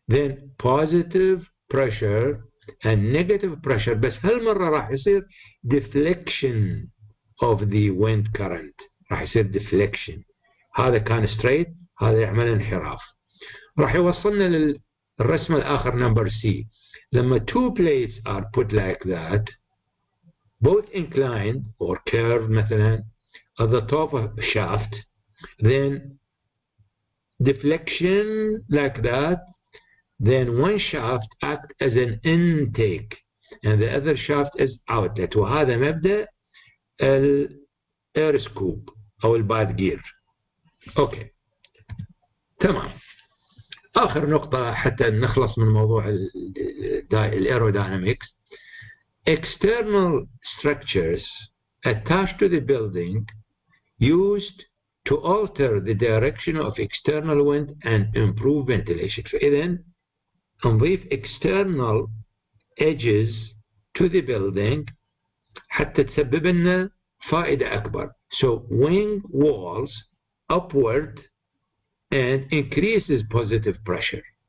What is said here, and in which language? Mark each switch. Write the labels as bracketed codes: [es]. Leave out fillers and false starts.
[en] Then positive pressure and negative pressure. [ar] بس هالمرة راح يصير [en] deflection of the wind current. [ar] راح يصير deflection. هذا كان straight. هذا يعمل انحراف. راح يوصلنا للرسم الآخر [en] number C. [ar] لما [en] two plates are put like that, both inclined or curved [ar] مثلا [en] at the top of the shaft, then deflection like that, then one shaft act as an intake and the other shaft as outlet. [ar] وهذا مبدأ ال air scoop أو bad gear. [en] Okay. [ar] تمام. آخر نقطة حتى نخلص من موضوع الايروداينامكس. [en] External structures attached to the building used to alter the direction of external wind and improve ventilation. [ar] فإذا نضيف [en] external edges to the building [ar] حتى تسبب لنا فائدة أكبر. [en] So wing walls upward and increases positive pressure.